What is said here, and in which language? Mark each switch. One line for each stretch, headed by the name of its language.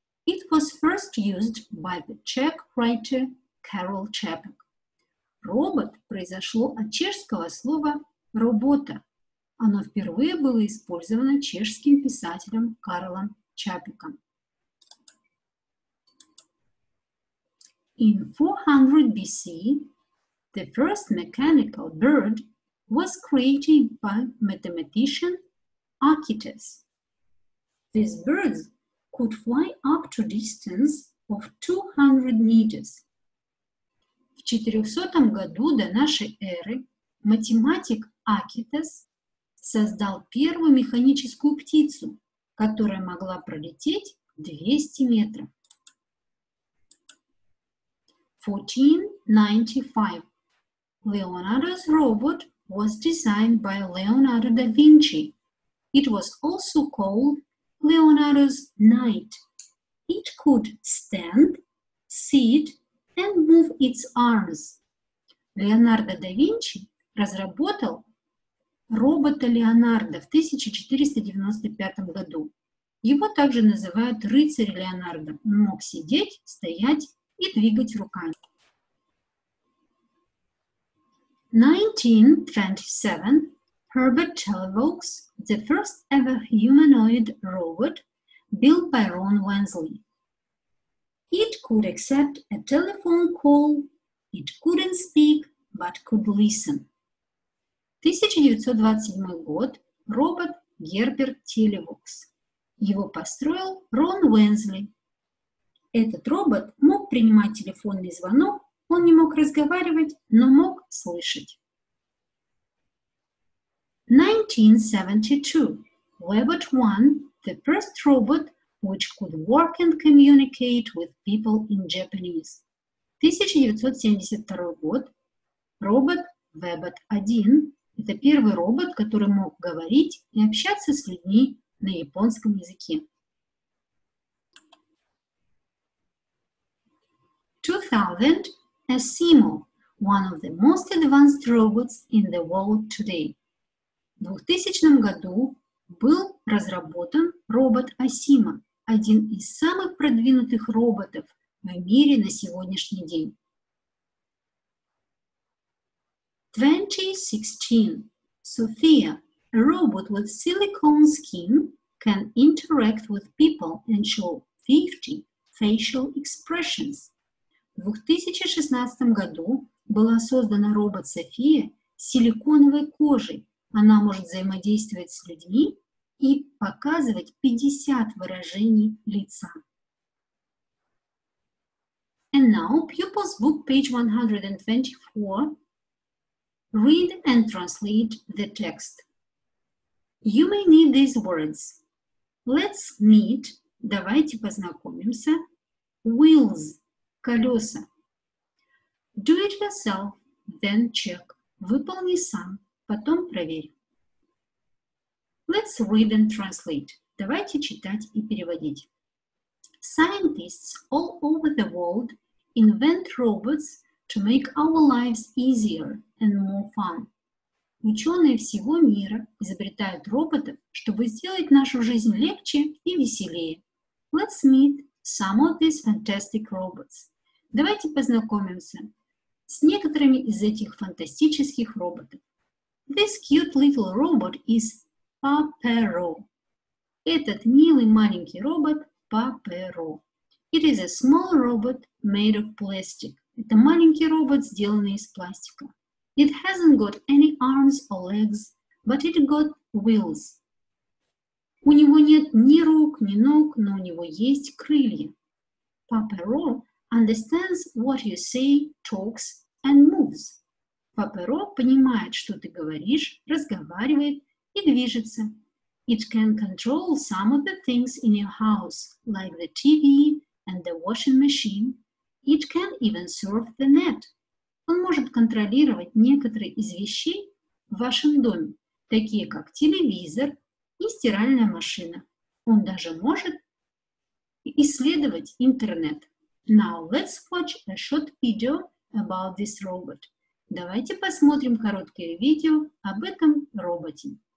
English: It was first used by the Czech writer Carol Chapek.
Russian: Робот произошло от чешского слова «робота». Оно впервые было использовано чешским писателем Карлом Чапеком.
English: In 400 BC, the first mechanical bird was created by mathematician Archytas. These birds could fly up to distance of 200 meters.
Russian: В 400 году до нашей эры математик Архитас создал первую механическую птицу, которая могла пролететь 200 метров.
English: 1495. Leonardo's robot was designed by Leonardo da Vinci. It was also called Leonardo's knight. It could stand, sit, and move its arms.
Russian: Леонардо да Винчи разработал робота Леонардо в 1495 году. Его также называют рыцарь Леонардо. Он мог сидеть, стоять и двигать руками.
English: 1927. Herbert Televoke's the first ever humanoid robot built by Ron Wensley. It could accept a telephone call, it couldn't speak, but could listen.
Russian: 1927 год. Робот Герберт Телевокс. Его построил Рон Уэнсли. Этот робот мог принимать телефонный звонок, он не мог разговаривать, но мог слышать.
English: 1972. Webot 1, the first robot which could work and communicate with people in Japanese.
Russian: 1972 год. Робот Webot 1 – это первый робот, который мог говорить и общаться с людьми на японском языке.
English: 2000. Asimo – one of the most advanced robots in the world today.
Russian: В 2000 году был разработан робот Асима, один из самых продвинутых роботов в мире на сегодняшний день.
English: 2016. Sophia, a robot with silicone skin, can interact with people and show 50 facial expressions.
Russian: В 2016 году была создана робот София с силиконовой кожей. Она может взаимодействовать с людьми и показывать 50 выражений лица.
English: And now, Pupil's book, page 124. Read and translate the text. You may need these words. Let's meet.
Russian: Давайте познакомимся.
English: Wheels. Колеса. Do it yourself, then check.
Russian: Выполни сам, потом проверь.
English: Let's read and translate.
Russian: Давайте читать и переводить.
English: Scientists all over the world invent robots to make our lives easier and more fun.
Russian: Ученые всего мира изобретают роботов, чтобы сделать нашу жизнь легче и веселее.
English: Let's meet some of these fantastic robots.
Russian: Давайте познакомимся с некоторыми из этих фантастических роботов.
English: This cute little robot is Papero.
Russian: Этот милый маленький робот Papero.
English: It is a small robot made of plastic.
Russian: Это маленький робот, сделанный из пластика.
English: It hasn't got any arms or legs, but it got wheels.
Russian: У него нет ни рук, ни ног, но у него есть крылья.
English: Papero understands what you say, talks, and moves.
Russian: Papero понимает, что ты говоришь, разговаривает и движется.
English: It can control some of the things in your house, like the TV and the washing machine. It can even surf the net.
Russian: Он может контролировать некоторые из вещей в вашем доме, такие как телевизор и стиральная машина. Он даже может исследовать интернет.
English: Now let's watch a short video about this robot.
Russian: Давайте посмотрим короткое видео об этом роботе.